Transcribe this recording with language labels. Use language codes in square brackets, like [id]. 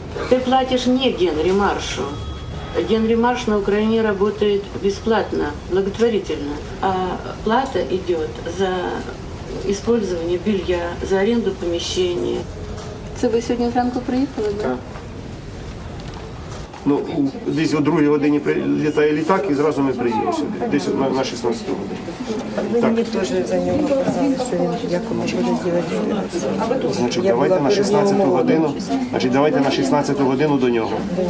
[ru] Ты платишь не Генри Маршу. Генри Марш на Украине работает бесплатно, благотворительно. А плата идет за использование белья, за аренду помещения. [uk] Це ви сьогодні зранку приїхали, да? Ну, десь о 2-й годині прилітає літак, і зразу ми приїдемо сюди. Десь на 16-ту годину. Так. Мені теж за нього казали, що він як може зробити. Значить, давайте на 16-ту годину. Значить, давайте на 16-ту годину до нього.